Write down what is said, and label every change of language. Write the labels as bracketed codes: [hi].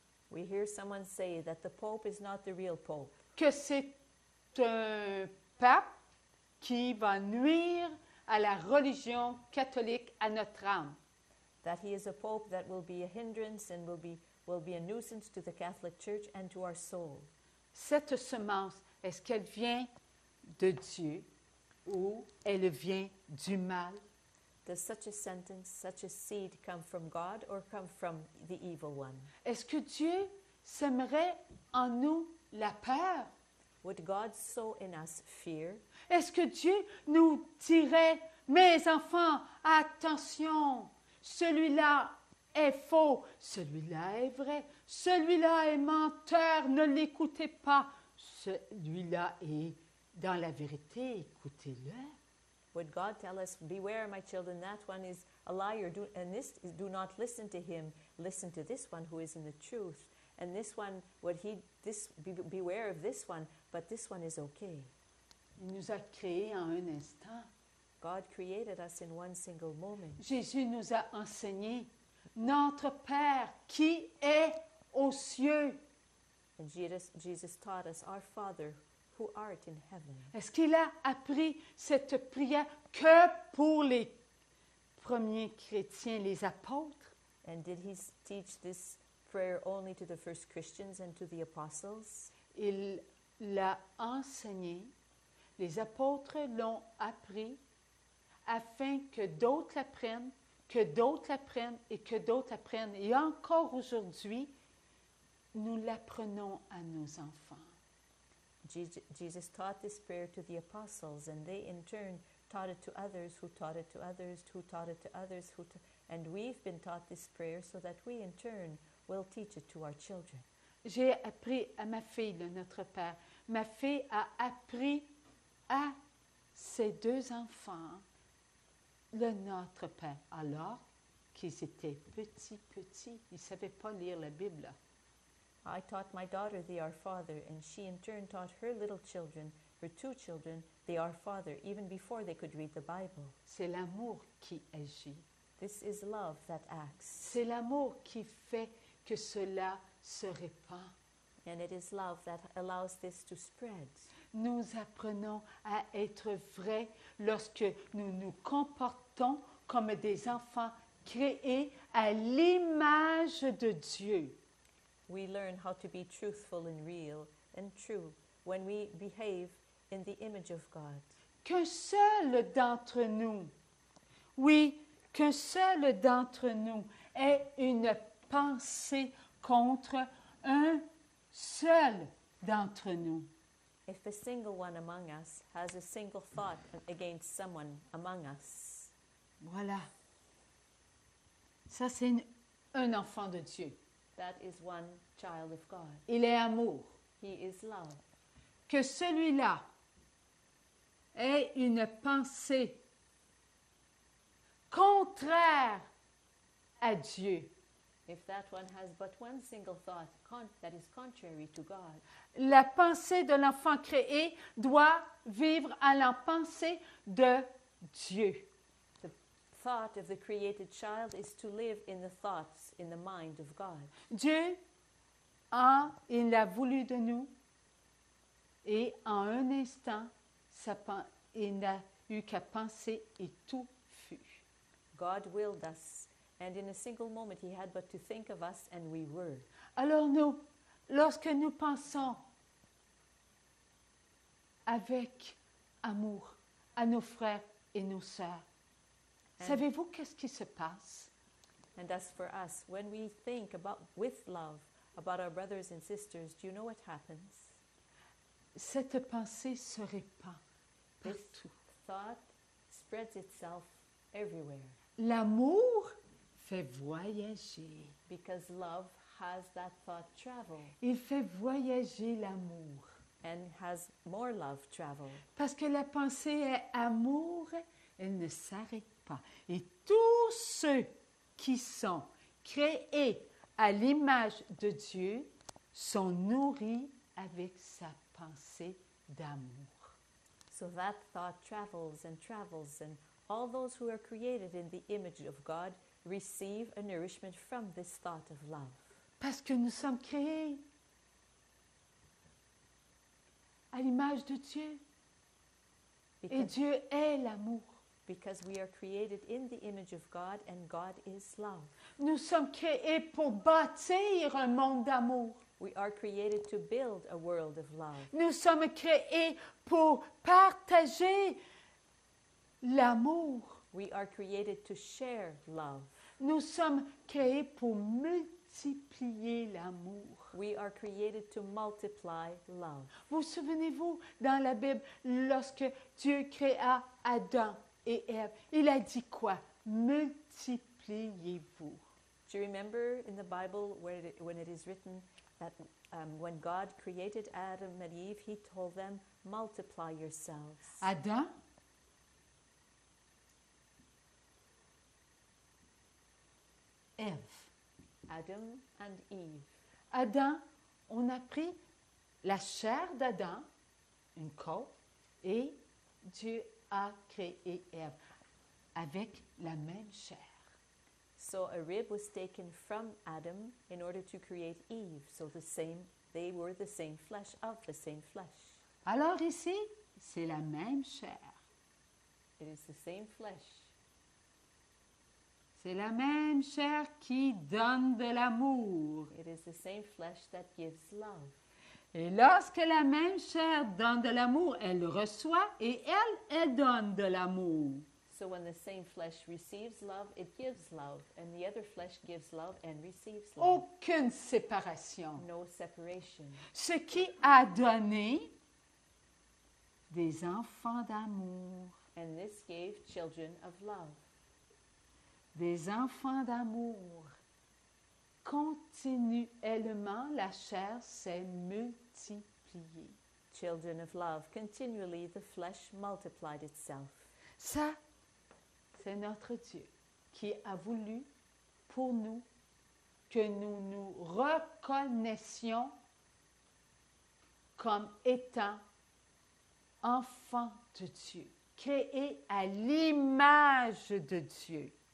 [en] We hear someone say that the pope is not the real pope. [fr] Que c'est un pape qui va nuire à la religion catholique, à notre âme. [en] That he is a pope that will be a hindrance and will be a nuisance to the Catholic Church and to our soul. [fr] Cette semence, est-ce qu'elle vient de Dieu ou elle vient du mal? [en] Does such a sentence, such a seed come from God or come from the evil one? [fr] Est-ce que Dieu sèmerait en nous la peur? [en] Would God sow in us fear? [fr] Est-ce que Dieu nous dirait, mes enfants, attention, celui-là est faux, celui-là est vrai, celui-là est menteur, ne l'écoutez pas, celui-là est dans la vérité, écoutez-le. [en] Would God tell us, beware my children, that one is a liar, do not listen to him, listen to this one who is in the truth. And this one, beware of this one, but this one is okay. [fr] Il nous a créés en un instant. [en] God created us in one single moment. [fr] Jésus nous a enseigné notre Père qui est aux cieux. [en] And Jesus taught us our Father who art in heaven. [fr] Est-ce qu'il a appris cette prière que pour les premiers chrétiens, les apôtres? [en] And did he teach this prayer only to the first Christians and to the apostles? [fr] Il l'a enseigné. Les apôtres l'ont appris afin que d'autres l'apprennent, que d'autres l'apprennent et que d'autres l'apprennent. Et encore aujourd'hui, nous l'apprenons à nos enfants. [en] Jesus taught this prayer to the apostles, and they in turn taught it to others, who taught it to others, who taught it to others, and we've been taught this prayer so that we in turn will teach it to our children. [fr] J'ai appris à ma fille le Notre Père. Ma fille a appris à ses deux enfants le Notre Père, alors qu'ils étaient petits, petits. Ils ne savaient pas lire la Bible. [en] I taught my daughter the Our Father, and she in turn taught her little children, her two children, the Our Father, even before they could read the Bible. [fr] C'est l'amour qui agit. [en] This is love that acts. [fr] C'est l'amour qui fait que cela se répand. [en] And it is love that allows this to spread. [fr] Nous apprenons à être vrais lorsque nous nous comportons comme des enfants créés à l'image de Dieu. [en] We learn how to be truthful and real and true when we behave in the image of God. [fr] Qu'un seul d'entre nous, oui, qu'un seul d'entre nous ait une pensée contre un seul d'entre nous. [en] If a single one among us has a single thought against someone among us. [fr] Voilà. Ça, c'est un enfant de Dieu. [en] That is one child of God. [fr] Il est amour. [en] He is love. [fr] Que celui-là ait une pensée contraire à Dieu. [en] If that one has but one single thought that is contrary to God. [fr] La pensée de l'enfant créé doit vivre à la pensée de Dieu. [en] The thought of the created child is to live in the thoughts, in the mind of God. [fr] Dieu en il a voulu de nous et en un instant, il n'a eu qu'à penser et tout fut. [en] God willed us. And in a single moment, he had but to think of us, and we were. [fr] Alors nous, lorsque nous pensons avec amour à nos frères et nos sœurs, savez-vous qu'est-ce qui se passe? [en] And as for us, when we think about with love about our brothers and sisters, do you know what happens? [fr] Cette pensée se répand partout. [en] This thought spreads itself everywhere. [fr] L'amour fait voyager. [en] Because love has that thought travel. [fr] Il fait voyager l'amour. [en] And has more love travel. [fr] Parce que la pensée est amour, elle ne s'arrête pas. Et tous ceux qui sont créés à l'image de Dieu sont nourris avec sa pensée d'amour. [en] So that thought travels and travels, and all those who are created in the image of God receive a nourishment from this thought of love. [fr] Parce que nous sommes créés à l'image de Dieu. [en] Because [fr] et Dieu est l'amour. [en] Because we are created in the image of God and God is love. [fr] Nous sommes créés pour bâtir un monde d'amour. [en] We are created to build a world of love. [fr] Nous sommes créés pour partager l'amour. [en] We are created to share love. [fr] Nous sommes créés pour multiplier l'amour. [en] We are created to multiply love. [fr] Vous souvenez-vous dans la Bible lorsque Dieu créa Adam et Ève, il a dit quoi? Multipliez-vous. [en] Do you remember in the Bible when it is written that when God created Adam and Eve, he told them multiply yourselves. Adam Eve. Adam and Eve. [fr] Adam, on a pris la chair d'Adam, une côte, et Dieu a créé Ève avec la même chair. [en] So a rib was taken from Adam in order to create Eve. So the same, they were the same flesh of the same flesh. [fr] Alors ici, c'est la même chair. [en] It is the same flesh. [fr] C'est la même chair qui donne de l'amour. [en] It is the same flesh that gives love. [fr] Et lorsque la même chair donne de l'amour, elle reçoit et elle, elle donne de l'amour. [en] So when the same flesh receives love, it gives love. And the other flesh gives love and receives love. [fr] Aucune séparation. [en] No separation. [fr] Ce qui a donné des enfants d'amour. [en] And this gave children of love. [fr] Des enfants d'amour. Continuellement, la chair s'est multipliée. [en] Children of love, continually the flesh multiplied itself. [fr] Ça, c'est notre Dieu qui a voulu pour nous que nous nous reconnaissions comme étant enfants de Dieu, créés à l'image de Dieu.